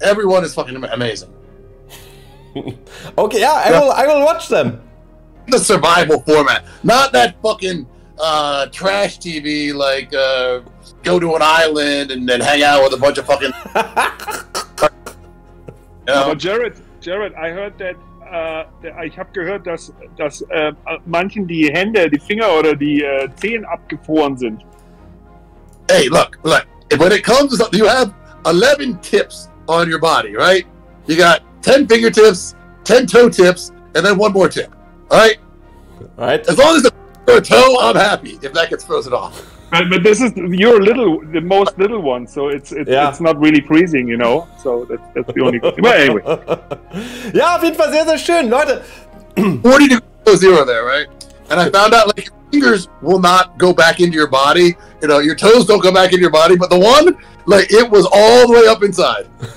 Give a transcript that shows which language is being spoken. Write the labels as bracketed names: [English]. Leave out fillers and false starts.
[English] Everyone is fucking amazing. Okay, yeah, I will watch them. The survival format. Not that fucking trash TV, like go to an island and then hang out with a bunch of fucking... You know? [German] Aber [English] Jared, I heard that... [German] ich habe gehört, dass manchen die Hände, die Finger oder die Zehen abgefroren sind. [English] Hey, look. When it comes to something, you have 11 tips on your body, right? You got 10 fingertips, 10 toe tips, and then one more tip. All right. As long as the finger or toe, I'm happy if that gets frozen off. But this is, you're the most little one, so it's not really freezing, you know? So that's the only thing. But anyway. [German] Ja, auf jeden Fall sehr, sehr schön, Leute. [English] 40 degrees below zero there, right? And I found out, like, your fingers will not go back into your body. You know, your toes don't go back into your body, but the one, like, it was all the way up inside.